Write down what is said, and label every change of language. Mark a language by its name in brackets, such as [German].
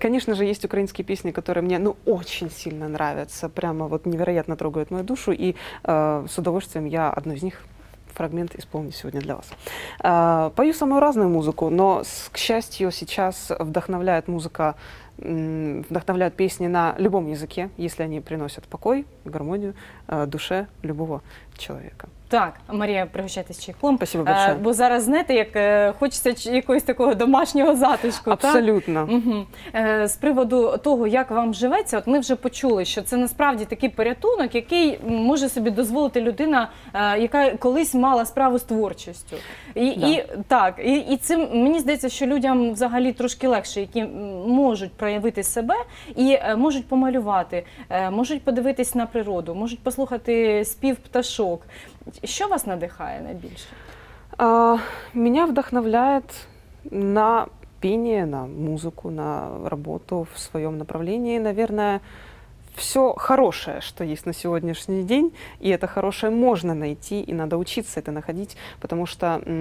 [Russian] Конечно же, есть украинские песни, которые мне, ну, очень сильно нравятся, прямо вот невероятно трогают мою душу, и с удовольствием я одну из них фрагмент исполню сегодня для вас. Пою самую разную музыку, но, к счастью, сейчас вдохновляет музыка, вдохновляют песни на любом языке, если они приносят покой, гармонию душе любого человека. [Ukrainian] Так, Марія, пригощайтесь чайком. [Russian] Спасибо большое. [Ukrainian] Бо зараз, знаєте, як хочеться якогось такого домашнього затишку. Абсолютно. Так? Угу. З приводу того, як вам живеться, от ми вже почули, що це насправді такий порятунок, який може собі дозволити людина, яка колись мала справу з творчістю. І цим, мені здається, що людям взагалі трошки легше, які можуть проявити себе і можуть помалювати, можуть подивитись на природу, можуть послухати спів пташок. Що вас надихає найбільше? [Russian] Мене вдохновляє на піння, на музику, на роботу в своєму направлінні, мабуть, все хорошее, что есть на сегодняшний день, и это хорошее можно найти, и надо учиться это находить, потому что